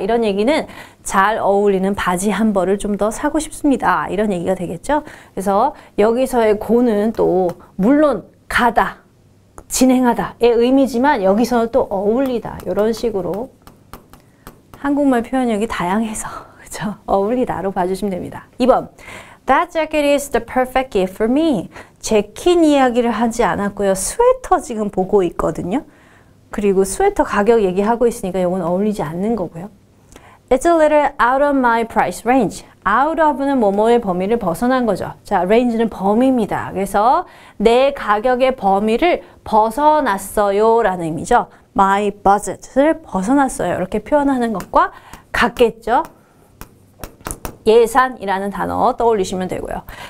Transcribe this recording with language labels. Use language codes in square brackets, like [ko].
[ko] 이런 얘기는 잘 어울리는 바지 한 벌을 좀 더 사고 싶습니다. 이런 얘기가 되겠죠? 그래서 여기서의 go는 또 물론 가다, 진행하다의 의미지만 여기서는 또 어울리다. 이런 식으로 한국말 표현력이 다양해서 그렇죠? 어울리다로 봐주시면 됩니다. [en] 2번 That jacket is the perfect gift for me. [ko] 재킷 이야기를 하지 않았고요. 스웨터 지금 보고 있거든요. 그리고 스웨터 가격 얘기하고 있으니까 이건 어울리지 않는 거고요. [en] It's a little out of my price range. [ko] Out of는 뭐뭐의 범위를 벗어난 거죠. 자, range는 범위입니다. 그래서 내 가격의 범위를 벗어났어요 라는 의미죠. My budget을 벗어났어요. 이렇게 표현하는 것과 같겠죠. 예산이라는 단어 떠올리시면 되고요.